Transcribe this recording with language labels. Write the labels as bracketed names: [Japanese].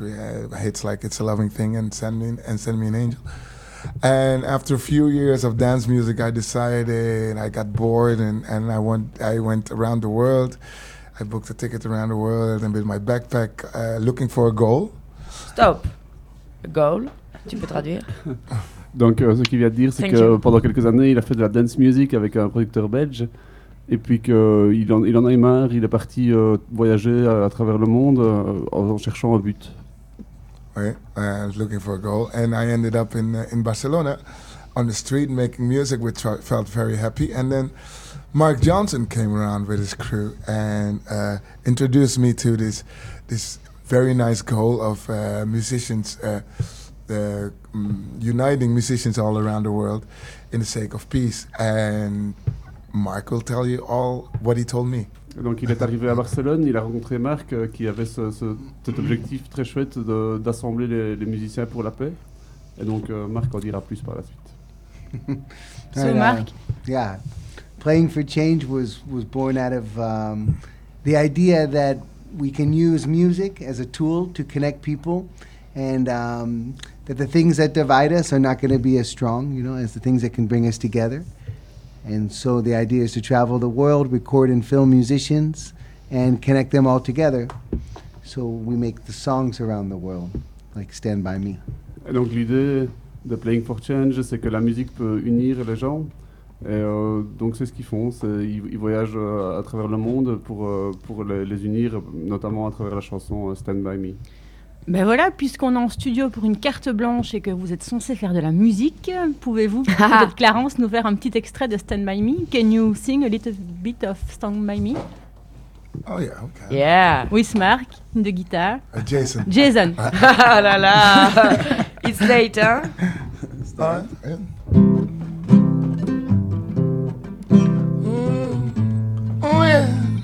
[English] We had hits like "It's a Loving Thing" and "Send Me an Angel." And after a few years of dance music, I decided I got bored and I went around the world. I booked a ticket around the world and with my backpack looking for a goal. Stop. A goal? [French] Tu peux traduire? Donc ce qu'il vient de dire, c'est que pendant quelques années, il a fait de la dance music avec un producteur belge. Et puis qu'il en a eu marre, il est parti voyager à travers le monde en cherchant un but. [English] Oui, I was looking for a goal. And I ended up in Barcelona on the street making music, which I felt very happy. And then Mark Johnson came around with his crew and introduced me to this very nice goal of musicians, uniting musicians all around the world in the sake of peace. And Mark will tell you all what he told me. [French] Donc il est arrivé à Barcelone, il a rencontré Mark qui avait cet objectif très chouette d'assembler les musiciens pour la paix. Et donc Mark en dira plus par la suite. [English] So Mark. Yeah. Playing for Change was born out of the idea that we can use music as a tool to connect people, and that the things that divide us are not going to be as strong, you know, as the things that can bring us together. And so the idea is to travel the world, record and film musicians, and connect them all together. So we make the songs around the world, like Stand By Me. [French] Et donc l'idée de Playing for Change, c'est que la musique peut unir les gens. Et donc c'est ce qu'ils font, ils voyagent à travers le monde pour les unir, notamment à travers la chanson Stand By Me. Ben voilà, puisqu'on est en studio pour une carte blanche et que vous êtes censé faire de la musique, pouvez-vous, peut-être Clarence, nous faire un petit extrait de Stand By Me? [English] Can you sing a little bit of Stand By Me? Oh yeah, okay. Yeah. With Mark, [French] de guitare. [English] Jason. Jason. [French] Oh là là, [English] it's late, [French] hein? [English] Start. Oh yeah.